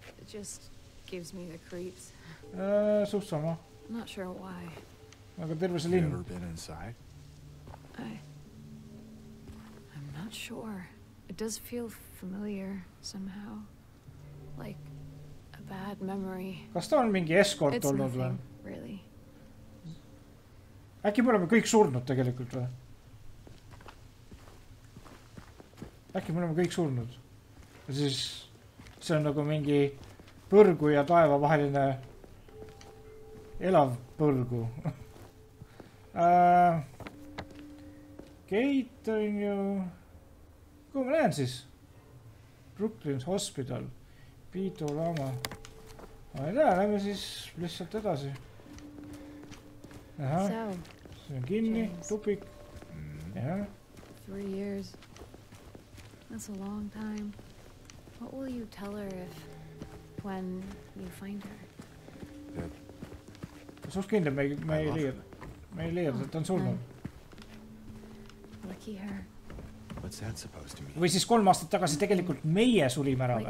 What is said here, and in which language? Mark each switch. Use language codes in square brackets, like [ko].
[en] just gives me the creeps. [et] Suht sama. [en] Not sure why. [et] Aga terve see linn. [en] Have you ever been inside? I'm not sure. It does feel familiar somehow. Like a bad memory. [et] Kas ta on mingi eskort olnud või? [en] It's nothing, really. [et] Äkki me oleme kõik surnud tegelikult või? Äkki me oleme kõik surnud. Ja siis see on nagu mingi põrgu ja taeva vaheline elav põrgu. Gate on ju... Kuhu ma näen siis? Brooklyn's Hospital. Pidu lama. Ma ei tea, lähme siis lihtsalt edasi. Jaha. See on kinni, tupik. Jaha. [en] 3 years. That's a long time. What will you tell her if... when you find her? [et] Yeah. Suht kindel, me ei leia, ta on surnud. [en] Lucky her. What's that supposed to mean? [et] Või siis 3 aastat tagasi tegelikult meie surime ära või?